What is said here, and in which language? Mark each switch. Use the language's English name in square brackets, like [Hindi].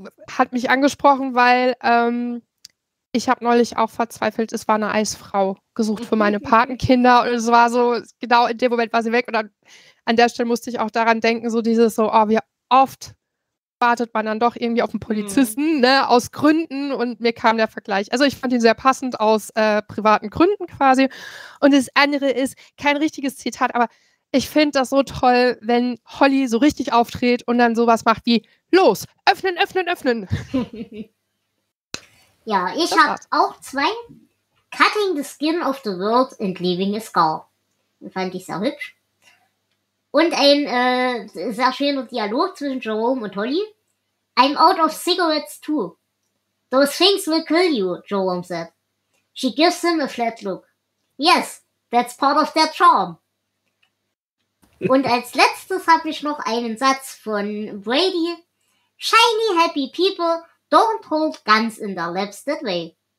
[German] Hat mich angesprochen, weil ich habe neulich auch verzweifelt, es war eine Eisfrau gesucht für meine Patenkinder und es war so, genau in dem Moment war sie weg und dann, an der Stelle musste ich auch daran denken, so dieses so, oh, wie oft wartet man dann doch irgendwie auf einen Polizisten, ne, aus Gründen und mir kam der Vergleich. Also ich fand ihn sehr passend aus privaten Gründen quasi und das andere ist, kein richtiges Zitat, aber ich finde das so toll, wenn Holly so richtig auftritt und dann sowas macht wie, los, öffnen, öffnen, öffnen. Ja, ich habe auch zwei. [English] Cutting the Skin of the World and Leaving a Scar. [German] Fand ich sehr hübsch. Und ein sehr schöner Dialog zwischen Jerome und Holly. [English] I'm out of cigarettes too. Those things will kill you, Jerome said. She gives him a flat look. Yes, that's part of their charm. [German] Und als letztes habe ich noch einen Satz von Brady. [English] Shiny, happy people don't hold guns in their laps that way.